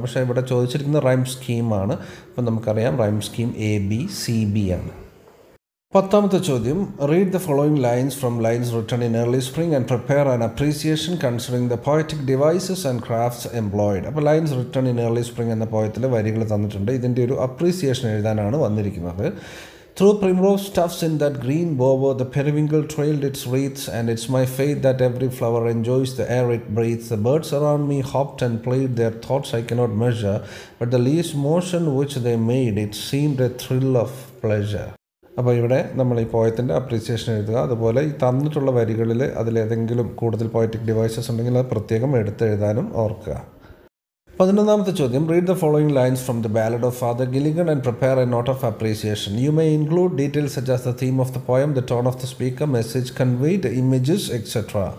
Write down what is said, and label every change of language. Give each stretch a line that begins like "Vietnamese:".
Malayalam: പക്ഷേ ഇവിടെ ചോദിച്ചിരിക്കുന്ന റൈം സ്കീമാണ്. അപ്പം നമുക്കറിയാം rhyme scheme A B C B ആണ്. പത്താമത്തെ ചോദ്യം,
English: Read the following lines from lines return in early spring and prepare an appreciation considering the poetic devices and crafts employed.
Malayalam: അപ്പോൾ lines written in early spring എന്ന പോയത്തിലെ വരികൾ തന്നിട്ടുണ്ട്. ഇതിൻ്റെ ഒരു appreciation എഴുതാനാണ് വന്നിരിക്കുന്നത്.
English: Through primrose tufts in that green bower, the periwinkle trailed its wreaths, and it's my fate that every flower enjoys the air it breathes. The birds around me hopped and played, their thoughts I cannot measure, but the least motion which they made, it seemed a thrill of pleasure.
Malayalam: അപ്പോൾ ഇവിടെ നമ്മൾ ഈ പോയത്തിൻ്റെ appreciation എഴുതുക. അതുപോലെ ഈ തന്നിട്ടുള്ള വരികളിൽ അതിലേതെങ്കിലും കൂടുതൽ പോയറ്റിക് ഡിവൈസസ് ഉണ്ടെങ്കിൽ അത് പ്രത്യേകം എടുത്തെഴുതാനും ഓർക്കുക. പതിനൊന്നാമത്തെ ചോദ്യം,
English: Read the following lines from the ballad of Father Gilligan and prepare a note of appreciation. You may include details such as the theme of the poem, the tone of the speaker, message conveyed, images etcetera.